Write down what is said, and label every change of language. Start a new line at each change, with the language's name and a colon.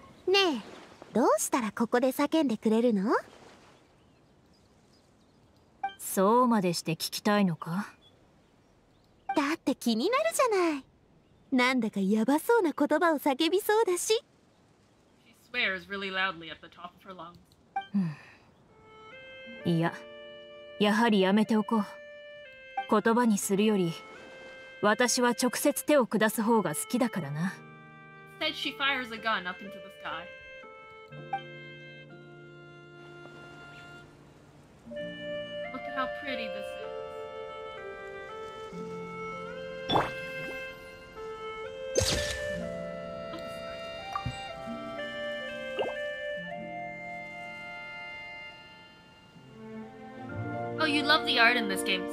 Japanese: ねえ、どうしたらここで叫んでくれるの？そうまでして聞きたいのか？だって気になるじゃない。なんだかやばそうな言葉を叫びそうだし。
English: She swears really loudly at the top of her lungs.
Japanese: いや。やはりやめておこう。言葉にするより、私は直接手を下す方が好きだからな。
English: Said she fires a gun up into the sky. Look at how pretty this is. Oh, you love the art in this game.